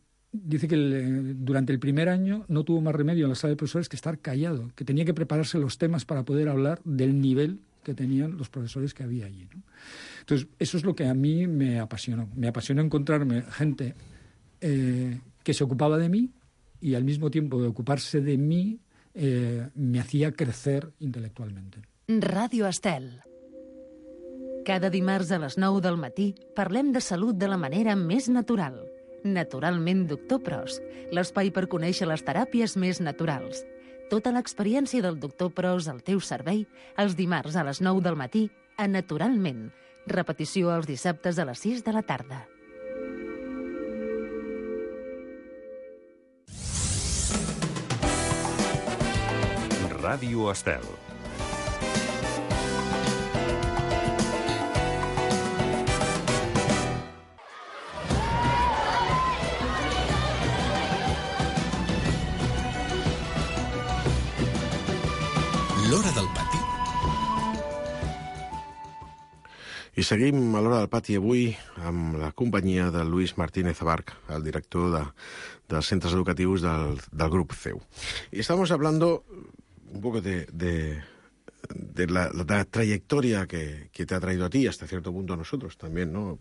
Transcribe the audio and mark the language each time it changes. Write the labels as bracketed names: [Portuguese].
[Spanish] Dice que durante el primer año no tuvo más remedio en la sala de profesores que estar callado, que tenía que prepararse los temas para poder hablar del nivel que tenían los profesores que había allí, ¿no? Entonces, eso es lo que a mí me apasionó. Me apasionó encontrarme gente que se ocupaba de mí y al mismo tiempo de ocuparse de mí me hacía crecer intelectualmente. [Catalan] Radio Estel. Cada dimarts a les 9 del matí parlem de salut de la manera més natural. Naturalment, doctor Prost, l'espai per conèixer les teràpies més naturals. Tota l'experiència del doctor Prost al teu servei els dimarts a les 9 del matí a Naturalment. Repetició els dissabtes a les 6 de la tarda. Ràdio Estel. L'hora del pati. I seguim a l'hora del pati avui amb la companyia de Luis Martínez Abarc, el director de centres educatius del grup CEU. [Spanish] I estamos hablando un poco de la trayectoria que te ha traído a ti, hasta cierto punto a nosotros también, ¿no?